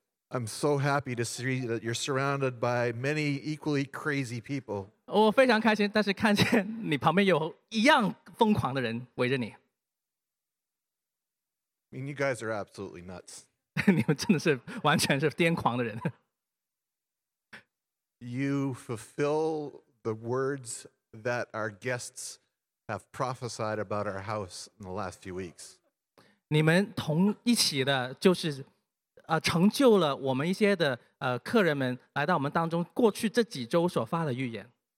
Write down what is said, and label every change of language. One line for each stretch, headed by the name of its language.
English: I'm so happy to see that you're surrounded by many equally crazy people.
Chinese: 我非常开心, 但是看见你旁边有一样疯狂的人围着你。
English: I mean, you guys are absolutely nuts.
Chinese: 你们真的是完全是癫狂的人。
English: You fulfill the words that our guests have prophesied about our house in the last few weeks.
Chinese: 你们同一起的就是 成就了我们一些的客人们来到我们当中过去这几周所发的预言。